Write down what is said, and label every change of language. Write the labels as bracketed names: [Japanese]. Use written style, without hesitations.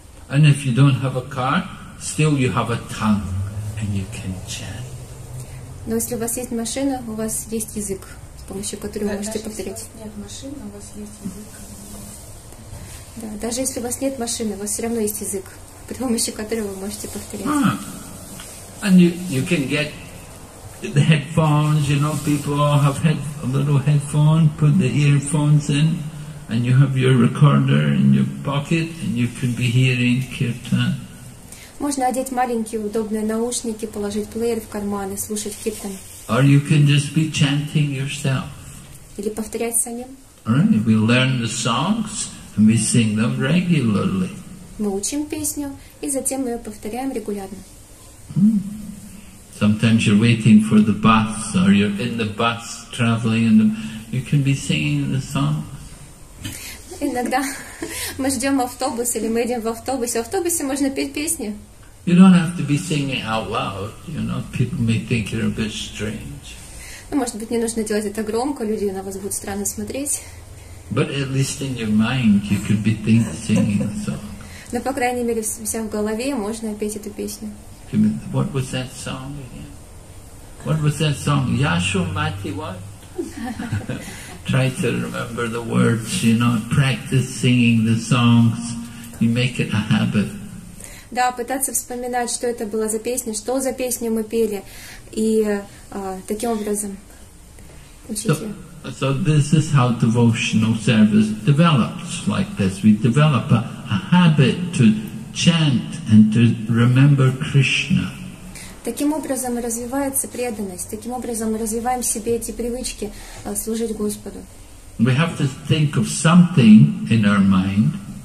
[English] And if you don't have a car, still you have a tongue. and you can chant. [Russian] Но если у вас есть машина, у вас есть язык, с помощью которого вы можете повторить. Если у вас нет машины, у вас есть язык. Да, даже если у вас нет машины, у вас все равно есть язык, при помощи которого вы можете повторять. [English] And you can get the headphones, you know, people have a little headphone, put the earphones in, and you have your recorder in your pocket, and you could be hearing kirtan. [Russian] Можно одеть маленькие удобные наушники, положить плеер в карман и слушать киртан. [English] Or you can just be chanting yourself. [Russian] Или повторять самим. [English] Right. We learn the songs and we sing them regularly. [Russian] Мы учим песню и затем ее повторяем регулярно. [English] Sometimes you're waiting for the bus or you're in the bus traveling and you can be singing the song. [Russian] Иногда мы ждем автобус или мы едем в автобусе. В автобусе можно петь песни. [English] You don't have to be singing out loud, you know. People may think you're a bit strange. [Russian] Ну, может быть, не нужно делать это громко, люди на вас будут странно смотреть. [English] But at least in your mind you could be singing the song. [Russian] Но, по крайней мере, вся в голове можно петь эту песню. [English] What was that song again? What was that song? Yashu Mati what? Try to remember the words, you know, practice singing the songs. You make it a habit. [Russian] Да, пытаться вспоминать, что это была за песня, что за песню мы пели, и таким образом учите. [English] So this is how devotional service develops like this. We develop a habit to chant and to remember Krishna. [Russian] Таким образом развивается преданность, таким образом мы развиваем в себе эти привычки служить Господу. [English] We have to think of something in our mind.